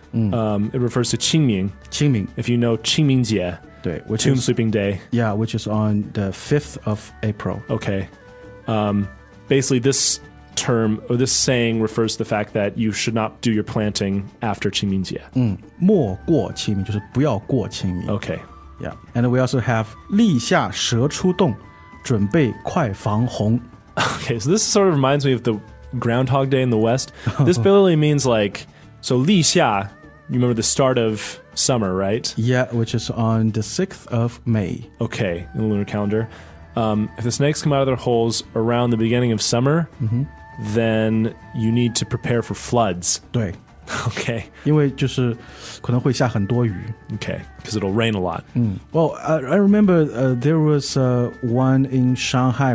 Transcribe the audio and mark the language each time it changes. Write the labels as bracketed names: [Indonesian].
[English] 嗯 it refers to 清明 [Chinese] 清明 [English] If you know 清明节 [Chinese] 对 [English] which Tomb is, sweeping day Yeah, which is on the 5th of April Okay、basically, this term or this saying refers to the fact that you should not do your planting after 清明节、 [Chinese] 嗯、莫过清明就是不要过清明 [English] Okay Yeah, and we also have [Chinese] 立夏蛇出洞准备快防洪 [English] Okay, so this sort of reminds me of the Groundhog Day in the West. This literally means like, so 立夏, you remember the start of summer, right? Yeah, which is on the 6th of May. Okay, in the lunar calendar. If the snakes come out of their holes around the beginning of summer,、 mm-hmm. then you need to prepare for floods. [Chinese] 对 [English] Okay. [Chinese] 因为就是可能会下很多雨 [English] Okay. Because it'll rain a lot.、 Mm. Well, I remember there was one in Shanghai.